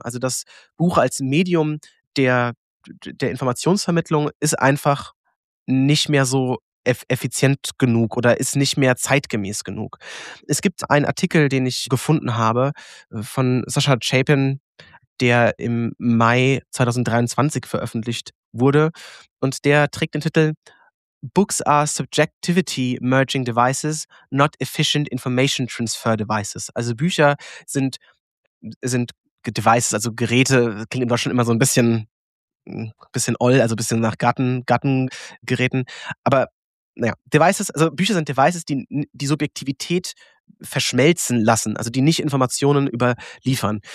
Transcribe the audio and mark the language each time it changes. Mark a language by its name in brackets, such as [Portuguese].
[German] Also das Buch als Medium der Informationsvermittlung ist einfach nicht mehr so effizient genug oder ist nicht mehr zeitgemäß genug. Es gibt einen Artikel, den ich gefunden habe von Sascha Chapin, der im Mai 2023 veröffentlicht wurde und der trägt den Titel [English] Books are subjectivity merging devices, not efficient information transfer devices. [German] Also Bücher sind Devices, also Geräte, klingt in Deutschland immer so ein bisschen oll, also ein bisschen nach Gartengeräten. Aber naja, Devices, also Bücher sind Devices, die Subjektivität verschmelzen lassen, also die nicht Informationen überliefern.